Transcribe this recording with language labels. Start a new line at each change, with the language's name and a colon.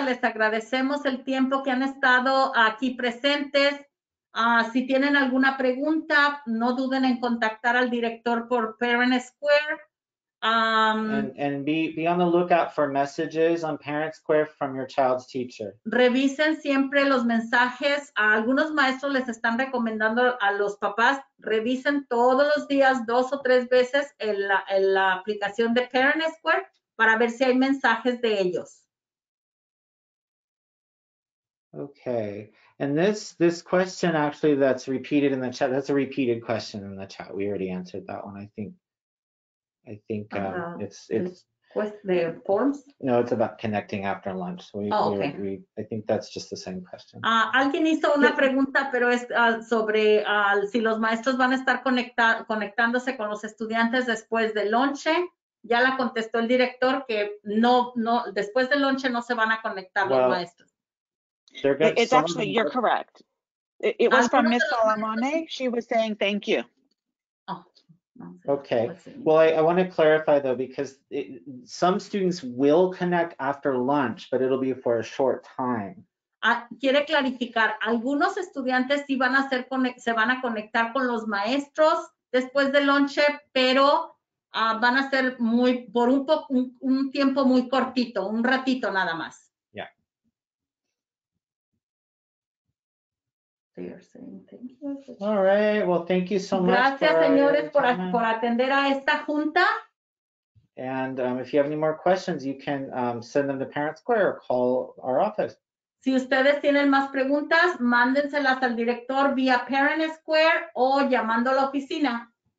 Spanish: Les agradecemos el tiempo que han estado aquí presentes. Si tienen alguna pregunta, no duden en contactar al director por Parent Square.
English: And be on the lookout for messages on Parent Square from your child's teacher.
Spanish: Revisen siempre los mensajes. Algunos maestros les están recomendando a los papás, revisen todos los días dos o tres veces en la aplicación de Parent Square para ver si hay mensajes de ellos.
English: Okay. And this question actually that's repeated in the chat, that's a repeated question in the chat. We already answered that one, I think it's the forms. No, it's about connecting after lunch. I think that's just the same question.
Spanish: Alguien hizo una pregunta, pero es sobre si los maestros van a estar conectándose con los estudiantes después del lunch. Ya la contestó el director que no después del lunch no se van a conectar los maestros.
English: It's actually you're correct. It was from Miss Salamone. She was saying thank you. Okay. Well, I want to clarify though, because some students will connect after lunch, but it'll be for a short time.
Spanish: Quiere clarificar, algunos estudiantes sí van a ser se van a conectar con los maestros después del lunch, pero van a ser muy por un tiempo muy cortito, un ratito nada más.
English: Yeah. They are saying thank you. All right. Well, thank you so much.
Spanish: Gracias, señores, por atender a esta junta.
English: And if you have any more questions, you can send them to Parent Square or call our office.
Spanish: Si ustedes tienen más preguntas, mándenselas al director vía Parent Square o llamando a la oficina.